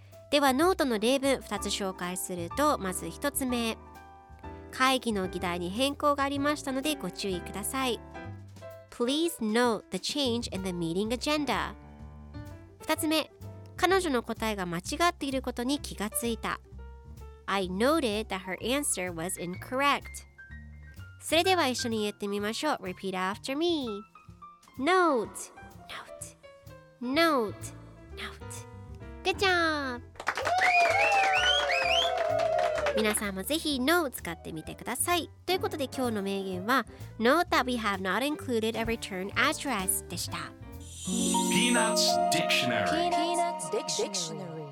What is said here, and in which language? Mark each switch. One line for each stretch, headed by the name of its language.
Japanese: ではノートの例文2つ紹介すると、まず1つ目、会議の議題に変更がありましたのでご注意ください。
English: Please note the change in the meeting agenda。
Japanese: 2つ目、彼女の答えが間違っていることに気がついた。
English: I noted that her answer was incorrect。
Japanese: それでは一緒に言ってみましょう。
English: Repeat after me。 Note Note Note Note Good job。
Japanese: 皆さんもぜひ Note 使ってみてください。ということで今日の名言は
English: Note that we have not included a return address
Japanese: でした。ピーナッツディクショナリー。ピーナッツディクショナリー。